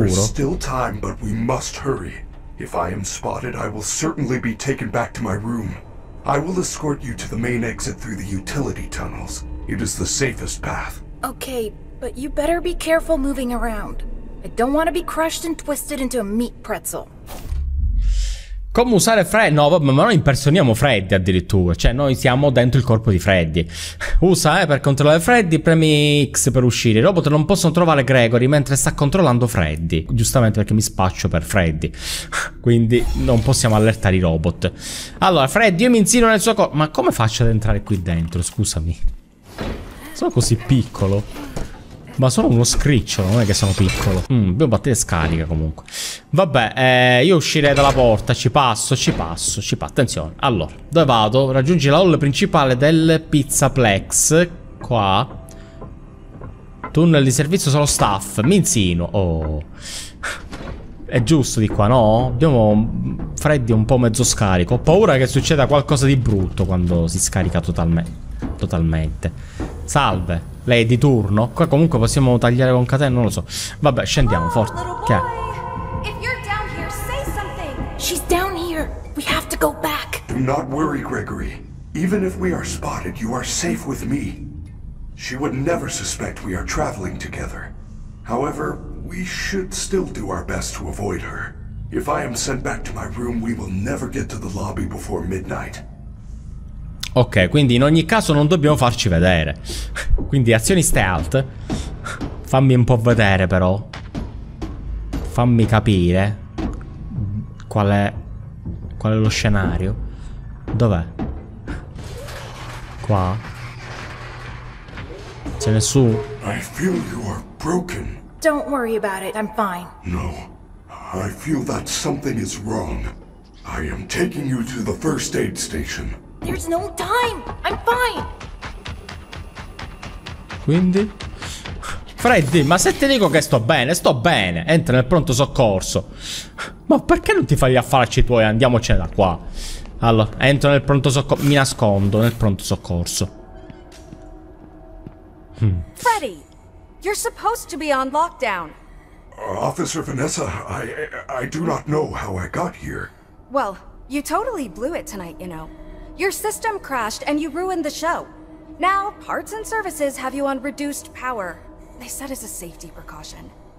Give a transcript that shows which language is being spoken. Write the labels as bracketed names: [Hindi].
[English] There is still time, but we must hurry. If I am spotted, I will certainly be taken back to my room. I will escort you to the main exit through the utility tunnels. It is the safest path. Okay, but you better be careful moving around. I don't want to be crushed and twisted into a meat pretzel. [Italian] Come usare Freddy? No, vabbè, ma noi impersoniamo Freddy addirittura. Cioè, noi siamo dentro il corpo di Freddy. Usa, per controllare Freddy, premi X per uscire. I robot non possono trovare Gregory mentre sta controllando Freddy. Giustamente perché mi spaccio per Freddy. Quindi non possiamo allertare i robot. Allora, Freddy, io mi insino nel suo corpo. Ma come faccio ad entrare qui dentro? Scusami. Sono così piccolo. Ma sono uno scricciolo, non è che sono piccolo. Devo battere scarica comunque. Vabbè, io uscirei dalla porta. Ci passo. Attenzione. Allora, dove vado? Raggiungi la hall principale del Pizzaplex. Qua. Tunnel di servizio sullo staff. Minzino. Oh. È giusto di qua, no? Abbiamo Freddy un po' mezzo scarico. Ho paura che succeda qualcosa di brutto quando si scarica totalmente. Salve. Lei è di turno? Qua comunque possiamo tagliare con catena, non lo so. Vabbè, scendiamo, forte. Che è? [English] If you're down here, say something. She's down here. We have to go back. Do not worry, Gregory. Even if we are spotted, you are safe with me. She would never suspect we are traveling together. However, we should still do our best to avoid her. If I am sent back to my room, we will never get to the lobby before midnight. [Italian] Ok, quindi in ogni caso non dobbiamo farci vedere. Quindi azioni stealth. Fammi un po' vedere però. Fammi capire qual è lo scenario. Dov'è? Qua. C'è nessuno. [English] I feel you are broken. Don't worry about it, I'm fine. No. I feel that something is wrong. I am taking you to the first aid station. There's no time! I'm fine! [Italian] Quindi? Freddy, ma se ti dico che sto bene, entra nel pronto soccorso. Ma perché non ti fai gli affaracci tuoi? Andiamocene da qua. Allora, entro nel pronto soccorso. Mi nascondo nel pronto soccorso. [English] Freddy, you're supposed to be on lockdown. Officer Vanessa, I do not know how I got here. Well, you totally blew it tonight, you know. Your system crashed and you ruined the show. Now, parts and services have you on reduced power. They said it's a safety precaution.